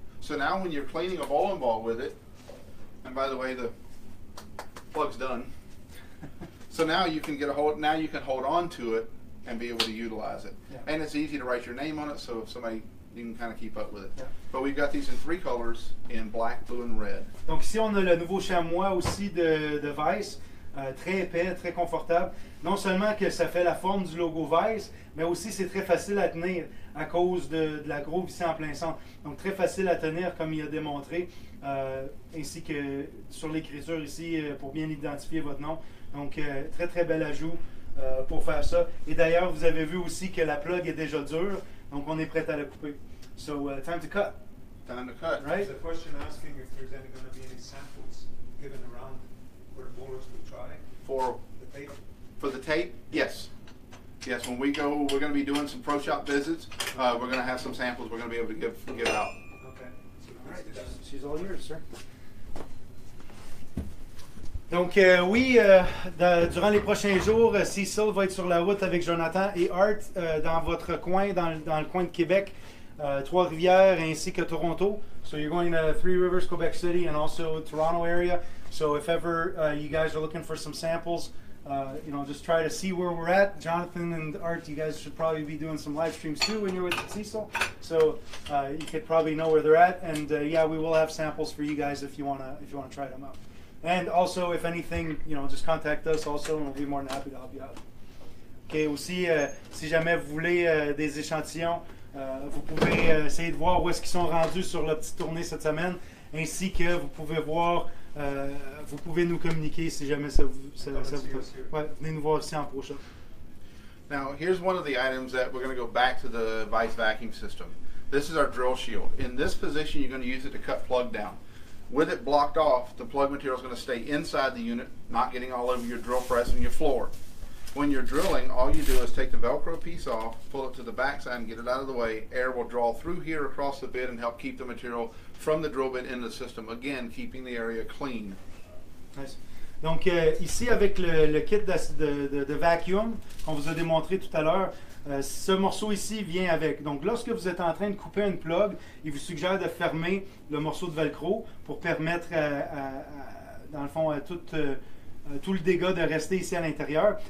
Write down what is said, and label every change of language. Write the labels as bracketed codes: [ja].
[en] So now when you're cleaning a bowling ball with it, and by the way, the plug's done. So now you can get a hold, now you can hold on to it and be able to utilize it. Yeah. And it's easy to write your name on it, so if somebody, you can kind of keep up with it. Yeah. But we've got these in 3 colors, in black, blue, and red. [fr] Donc ici on a le nouveau chamois aussi de Vise. Très épais, très confortable. Non seulement que ça fait la forme du logo Vise, mais aussi c'est très facile à tenir à cause de la grosse vis en plein centre. Donc très facile à tenir comme il a démontré, ainsi que sur l'écriture ici pour bien identifier votre nom. Donc très très bel ajout pour faire ça. Et d'ailleurs vous avez vu aussi que la plug est déjà dure, donc on est prêt à la couper. [en] So, time to cut. Time to cut. Right? There's a question asking if there's any going to be any samples given around for the bowlers to try. For the tape? For the tape? Yes. Yes, when we go, we're going to be doing some pro shop visits. We're going to have some samples we're going to be able to give out. Okay. So all right. She's all yours, sir. [fr] Donc, durant les prochains jours, Cecil va être sur la route avec Jonathan et Art dans votre coin, dans le coin de Québec, Trois-Rivières ainsi que Toronto. [en] So you're going to Three Rivers, Quebec City, and also Toronto area. So if ever you guys are looking for some samples, you know, just try to see where we're at. Jonathan and Art, you guys should probably be doing some live streams too when you're with Cecil. So you could probably know where they're at. And yeah, we will have samples for you guys if you wanna try them out. And also, if anything, you know, just contact us also, and we'll be more than happy to help you out. Okay. [fr] Aussi, si jamais vous voulez des échantillons, vous pouvez essayer de voir où est-ce qu'ils sont rendus sur la petite tournée cette semaine, ainsi que vous pouvez voir, vous pouvez nous communiquer si jamais ça vous ouais, venez nous voir aussi en prochain. [en] Now, here's one of the items that we're going to go back to the Vise vacuum system. This is our drill shield. In this position, you're going to use it to cut plug down. With it blocked off, the plug material is going to stay inside the unit, not getting all over your drill press and your floor. When you're drilling, all you do is take the Velcro piece off, pull it to the backside and get it out of the way. Air will draw through here across the bit and help keep the material from the drill bit into the system, again, keeping the area clean. Nice. [fr] Donc ici avec le kit de vacuum qu'on vous a démontré tout à l'heure, ce morceau ici vient avec. Donc lorsque vous êtes en train de couper une plug, il vous suggère de fermer le morceau de Velcro pour permettre dans le fond à tout le dégât de rester ici à l'intérieur.